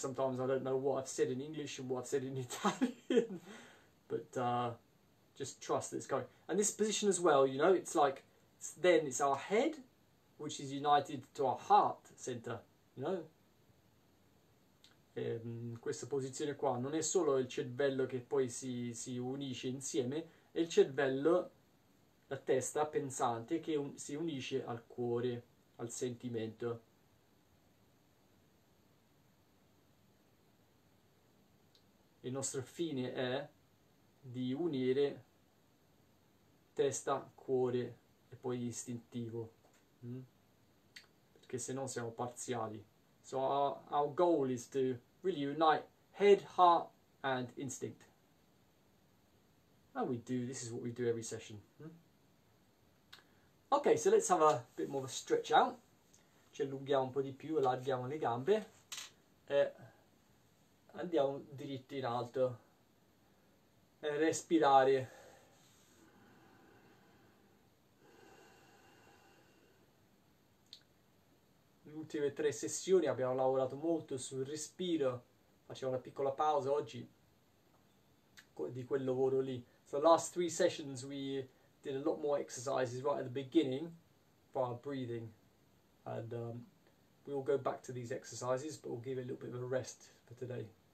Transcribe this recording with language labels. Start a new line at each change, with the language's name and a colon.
English: Sometimes I don't know what I've said in English and what I've said in Italian. But just trust that it's going. And this position as well, you know, it's like, it's our head, which is united to our heart center, you know.
Italian: Questa posizione qua non è solo il cervello che poi si unisce insieme, è il cervello, la testa pensante che si unisce al cuore, al sentimento. Il nostro fine è di unire testa, cuore e poi istintivo. Perché se no siamo parziali.
English: So our goal is to really unite head, heart and instinct. And we do, this is what we do every session. Ok, so let's have a bit more of a stretch out.
Italian: Ci allunghiamo un po' di più, allarghiamo le gambe. Andiamo dritti in alto e respirare. Le ultime tre sessioni abbiamo lavorato molto sul respiro. Facciamo una piccola pausa oggi di quel lavoro lì.
English: So the last three sessions we did a lot more exercises right at the beginning for our breathing. And we will go back to these exercises, but we'll give a little bit of a rest for today.